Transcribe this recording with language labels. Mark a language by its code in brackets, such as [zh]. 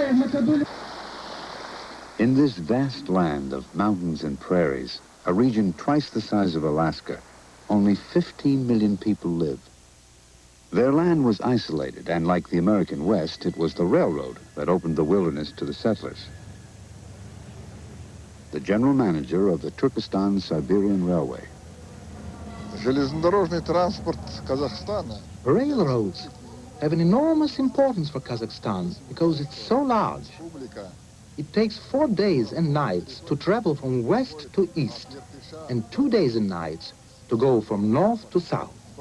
[en] In this vast land of mountains and prairies, a region twice the size of Alaska, only 15 million people live. Their land was isolated, and like the American West, it was the railroad that opened the wilderness to the settlers. The general manager of the Turkestan-Siberian Railway. [ru] Железнодорожный транспорт Казахстана. [en] Railroads have an enormous importance for Kazakhstan because it's so large. It takes 4 days and nights to travel from west to east and 2 days and nights to go from north to south.